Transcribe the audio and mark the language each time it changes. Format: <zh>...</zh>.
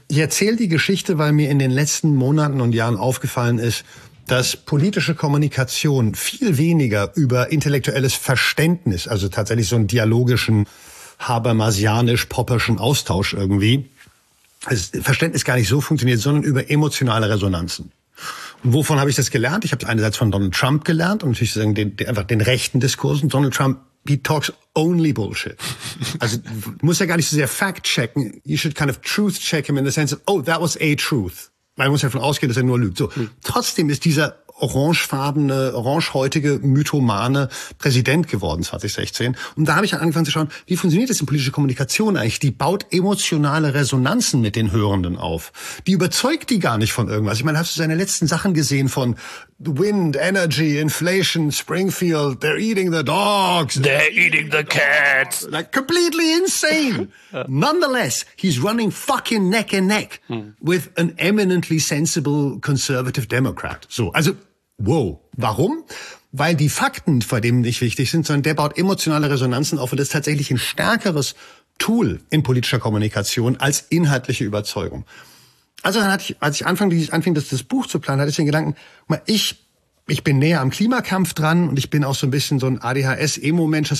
<de>Ich erzähle die Geschichte, weil mir in den letzten Monaten und Jahren aufgefallen ist, dass politische Kommunikation viel weniger über intellektuelles Verständnis, also tatsächlich so einen dialogischen, habermasianisch-popperschen Austausch irgendwie, das Verständnis gar nicht so funktioniert, sondern über emotionale Resonanzen. Und wovon habe ich das gelernt? Ich habe einerseits von Donald Trump gelernt und natürlich sagen, einfach den rechten Diskursen.</de> <en>Donald Trump, he talks only bullshit.</en> <de>Also muss ja gar nicht so sehr fact checken.</de> <en>You should kind of truth check him in the sense of, oh, that was a truth.</en> <de>Man muss ja davon ausgehen, dass er nur lügt. So. Trotzdem ist dieser orangefarbene, orangehäutige, mythomane Präsident geworden 2016. Und da habe ich dann angefangen zu schauen, wie funktioniert das in politischer Kommunikation eigentlich? Die baut emotionale Resonanzen mit den Hörenden auf. Die überzeugt die gar nicht von irgendwas. Ich meine, hast du seine letzten Sachen gesehen von Wind, Energy, Inflation, Springfield,</de> <en>they're eating the dogs. They're eating the cats. Like, completely insane. Nonetheless, he's running fucking neck and neck with an eminently sensible conservative Democrat.</en> <de>So, also, wow. Warum? Weil die Fakten vor dem nicht wichtig sind, sondern der baut emotionale Resonanzen auf und ist tatsächlich ein stärkeres Tool in politischer Kommunikation als inhaltliche Überzeugung. Also dann hatte ich, als ich anfing, das Buch zu planen, hatte ich den Gedanken, ich bin näher am Klimakampf dran und ich bin auch so ein bisschen so ein ADHS-Emo-Mensch.</de>